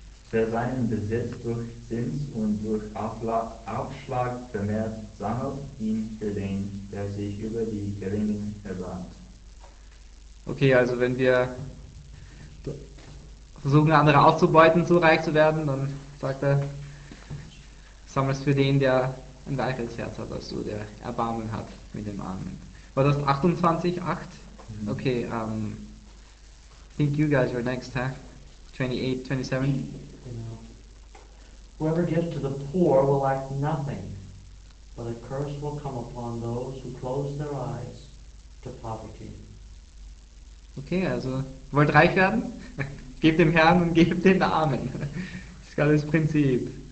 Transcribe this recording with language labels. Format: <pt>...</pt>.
<de>Wer seinen Besitz durch Zins und durch Aufschlag vermehrt, sammelt ihn für den, der sich über die Geringen erbarmt. Okay, also wenn wir versuchen, andere auszubeuten, so reich zu werden, dann sagt er, sammelst für den, der ein weiches Herz hat, als du, der Erbarmen hat mit dem Armen. War das 28, 8? Mhm.</de> <en>Okay, I think you guys are next, huh? 28, 27? Whoever gives to the poor will lack nothing, but a curse will come upon those who close their eyes to poverty.</en> <de>Okay, also, wollt reich werden? Gebt dem Herrn und gebt den Armen. Das ist gerade das Prinzip.</de>